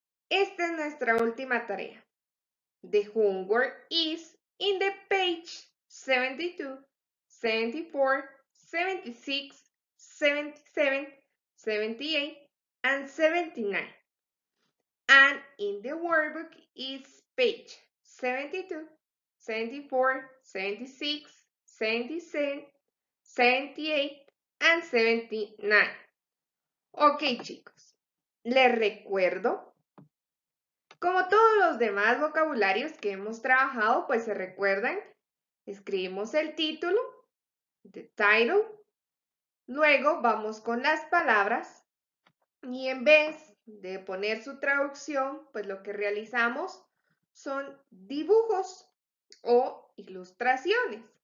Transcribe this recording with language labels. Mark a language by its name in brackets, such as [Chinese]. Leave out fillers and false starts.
[Spanish] Esta es nuestra última tarea. [English] The homework is in the page 72, 74, 76, 77, 78, and 79. And in the workbook is page 72, 74, 76, 77, 78, and 79. [Spanish] Ok, chicos, les recuerdo, como todos los demás vocabularios que hemos trabajado, pues se recuerdan, escribimos el título, [English] the title, [Spanish] luego vamos con las palabras y en vez de poner su traducción, pues lo que realizamos son dibujos o ilustraciones.